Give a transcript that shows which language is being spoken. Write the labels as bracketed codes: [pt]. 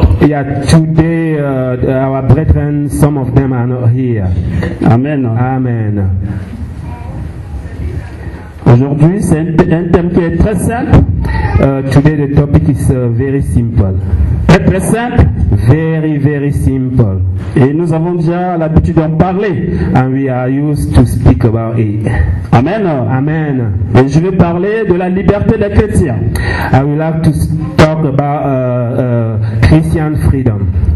[en] Today, our brethren, some of them are not here. Amen. Amen. [fr] Aujourd'hui, c'est un thème qui est très simple. [en] Today, the topic is very simple. [fr] Très très simple. [en] Very very simple. [fr] Et nous avons déjà l'habitude d'en parler. [en] And we are used to speak about it. Amen. Amen. [fr] Et je vais parler de la liberté des chrétiens. [en] I would like to talk about Christian freedom.